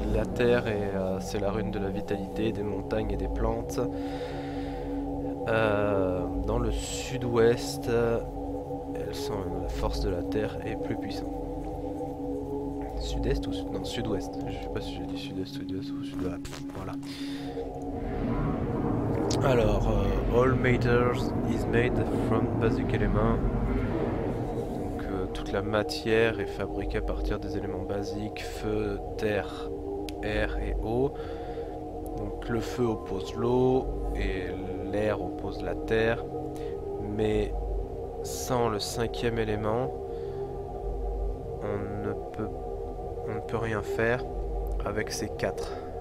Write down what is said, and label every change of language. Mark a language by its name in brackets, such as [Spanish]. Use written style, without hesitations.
[French] La terre est, c'est la rune de la vitalité, des montagnes et des plantes. Dans le sud-ouest, elles sont la force de la terre est plus puissante. Sud-est ou sud-... Non, sud-ouest. Je sais pas si j'ai dit sud-est ou sud-ouest ou sud-ouest. Ah, pff, voilà. [English] Alors, all matter is made from basic elements. [French] Donc, toute la matière est fabriquée à partir des éléments basiques, feu, terre, air et eau. Donc, le feu oppose l'eau et l'air oppose la terre. Mais sans le cinquième élément, on ne peut rien faire avec ces quatre.